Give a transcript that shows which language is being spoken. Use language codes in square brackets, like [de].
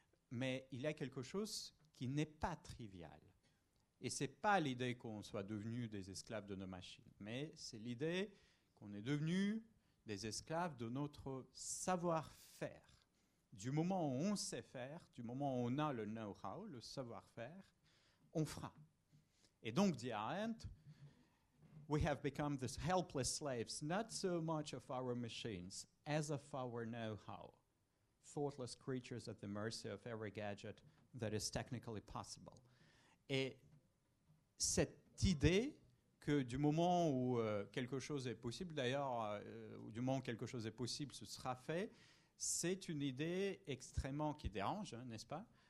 [fr] Mais il y a quelque chose qui n'est pas trivial. Et ce n'est pas l'idée qu'on soit devenu des esclaves de nos machines, mais c'est l'idée qu'on est devenu des esclaves de notre savoir-faire. Du moment où on sait faire, du moment où on a le know-how, le savoir-faire, on fera. Et donc, dit [en] Arendt, « We have become the helpless slaves, not so much of our machines as of our know-how. Thoughtless creatures at the mercy of every gadget that is technically possible. [fr] » Et cette idée que du moment où quelque chose est possible, d'ailleurs, du moment où quelque chose est possible, ce sera fait, c'est une idée extrêmement qui dérange, hein, n'est-ce pas ?